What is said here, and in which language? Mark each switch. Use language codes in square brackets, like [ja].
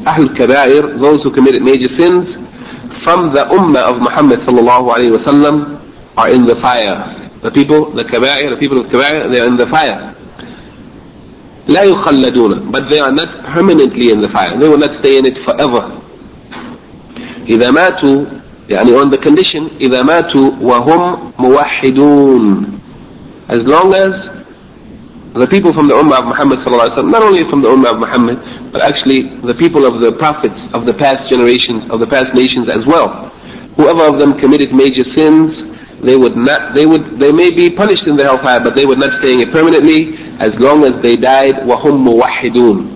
[ar] أهل الكبائر, [en] those who committed major sins from the ummah of Muhammad [ar] صلى الله عليه وسلم [en] are in the fire. The people, the كبائر, the people of كبائر, they are in the fire. [ar] لا يخلدون, [en] but they are not permanently in the fire. They will not stay in it forever. [ar] إذا ماتوا, يعني [en] on the condition, [ar] إذا ماتوا وهم موحدون. [en] As long as the people from the ummah of Muhammad [ar] صلى الله عليه وسلم, [en] not only from the ummah of Muhammad, but actually the people of the prophets of the past generations, of the past nations as well, whoever of them committed major sins, they would not, they may be punished in the hellfire, but they would not stay in it permanently as long as they died [ar] وهم موحدون.